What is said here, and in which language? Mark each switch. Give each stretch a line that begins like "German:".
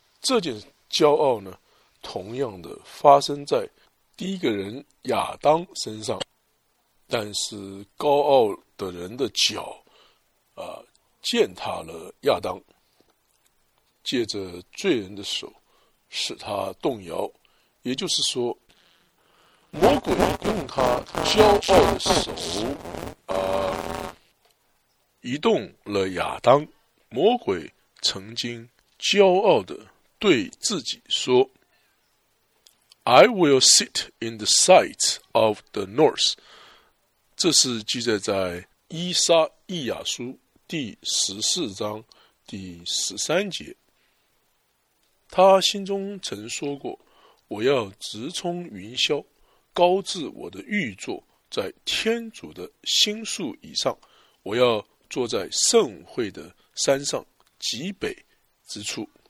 Chinese: 这件骄傲呢，同样的发生在第一个人亚当身上，但是高傲的人的脚践踏了亚当，借着罪人的手使他动摇。也就是说，魔鬼用他骄傲的手移动了亚当。魔鬼曾经骄傲地对自己说，
English: I will sit in the sight of the north。
Chinese: 这是记载在伊撒伊亚书第14章第13节。他心中曾说过，我要直冲云霄，高至我的御座，在天主的新宿以上，我要坐在圣会的山上极北之处。